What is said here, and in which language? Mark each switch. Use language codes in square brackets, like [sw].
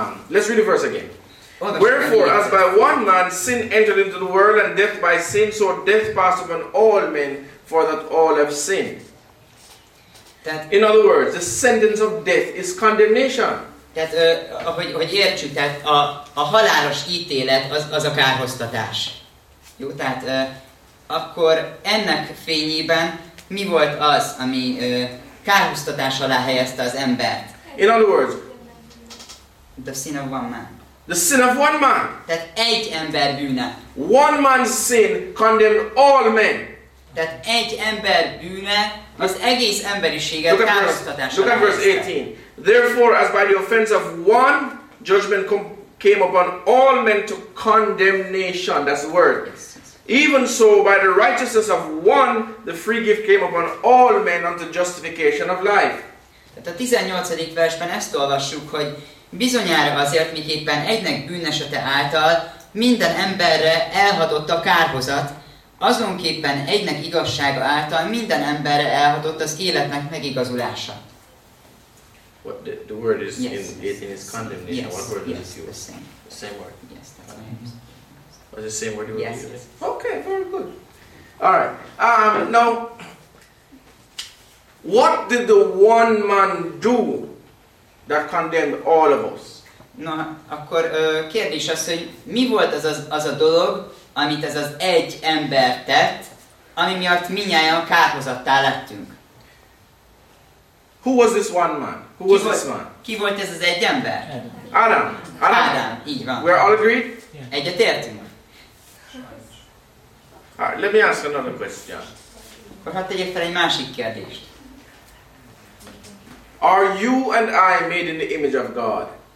[en] Let's read the verse again. Wherefore, as by one man sin entered into the world, and death by sin, so death passed upon all men, for that all have sinned. In other words, the sentence of death is condemnation. [hu] Tehát, hogy értsük, tehát a halálos ítélet az a kárhoztatás. Jó, tehát akkor ennek fényében mi volt az, ami kárhoztatás alá helyezte az embert? [en] In other words, the sin of one man. The sin of one man. [hu] Tehát egy ember bűne. [en] One man's sin condemned all men. [hu] Tehát egy ember bűne az egész emberiséget kárhoztatás alá helyezte. [en] Look at verse 18. Therefore, as by the offense of one, judgment came upon all men to condemnation. That's the word. Yes. Even so, by the righteousness of one, the free gift came upon all men unto justification of life. [hu] Tehát a 18. versben ezt olvassuk, hogy bizonyára azért, miképpen egynek bűnesete által minden emberre elhatott a kárhozat, azonképpen egynek igazsága által minden emberre elhatott az életnek megigazulása. [en] What the word is, yes, in 18 is condemnation. Yes, what word, yes, does it use? The same word. Yes, was the same word you would use? Yes. Okay, very good. All right. Now, what did the one man do that condemned all of us? [hu] Na, akkor kérdés az, hogy mi volt az a dolog, amit ez az egy ember tett, ami miatt minnyáján kárhozattá lettünk? [en] Who was this one man? Who was this man? [hu] Ki volt ez az egy ember? [en] Adam. [hu] Adam. Így van. [en] We are all agreed? [hu] Yeah. Egyetértünk. [en] All right, let me ask another question. [hu] Hadd tegyek fel egy másik kérdést. [en] Are you and I made in the image of God?